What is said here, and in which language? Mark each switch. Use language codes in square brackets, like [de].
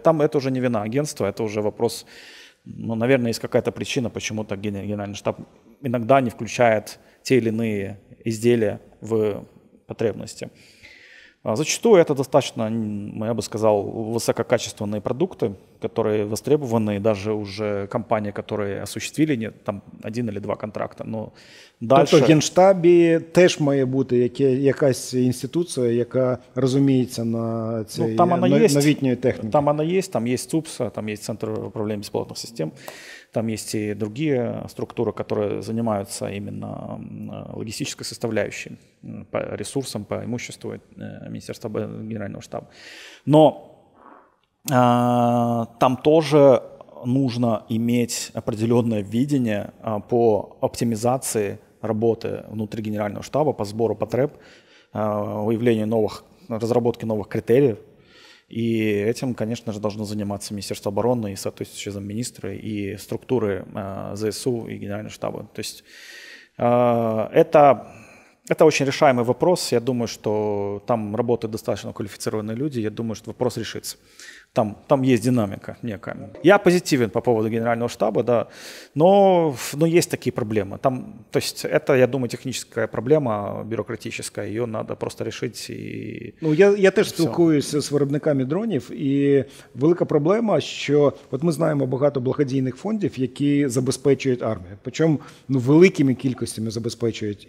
[ru] Там это уже не вина агентства, это уже вопрос, наверное, есть какая-то причина, почему-то генеральный штаб иногда не включает те или иные изделия в потребности. Зачастую это достаточно, я бы сказал, высококачественные продукты, которые востребованы даже уже компании, которые осуществили там один или два контракта. Но дальше... [uk] Тобто в Генштабі теж має бути якась інституція, яка розуміється на цій новітньої техніці. Там вона є, там є ЦУПС, там є Центр управління безпілотних систем, там є і інші структури, які займаються іменно логістичною [ru] составляющей по ресурсам, по имуществу Министерства Генерального штаба. Но там тоже нужно иметь определенное видение по оптимизации работы внутри Генерального штаба, по сбору потреб, выявлению новых, разработке новых критериев. И этим, конечно же, должно заниматься Министерство обороны и соответствующие замминистры, и структуры ЗСУ и Генерального штаба. То есть это очень решаемый вопрос. Я думаю, что там работают достаточно квалифицированные люди. Я думаю, что вопрос решится. Там есть динамика некая. Я позитивен по поводу Генерального штаба, да, но есть такие проблемы. Там, то есть это, я думаю, техническая проблема бюрократическая, ее надо просто решить. [uk] Я теж спілкуюся з виробниками дронів, і велика проблема, що от ми знаємо багато благодійних фондів, які забезпечують армію, причому великими кількостями забезпечують.